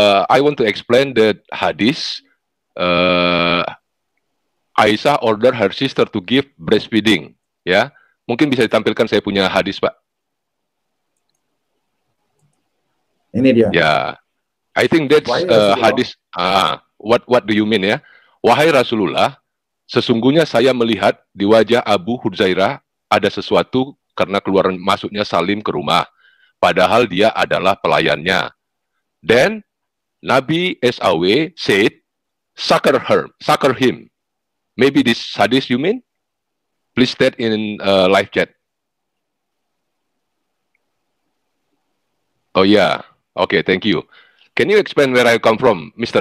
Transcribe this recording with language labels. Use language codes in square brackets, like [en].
[en] I want to explain the hadith. Aisyah order her sister to give breastfeeding. [id] Ya, mungkin bisa ditampilkan saya punya hadis, Pak. Ini dia. [en] Ya, yeah. I think that's hadis. What do you mean ya? [id] Wahai Rasulullah, sesungguhnya saya melihat di wajah Abu Hudzairah ada sesuatu karena keluar masuknya Salim ke rumah. Padahal dia adalah pelayannya. [en] Then, Nabi SAW said, sucker him. Maybe this hadith you mean? Please state in live chat. Oh yeah. Okay, thank you. Can you explain where I come from, Mr.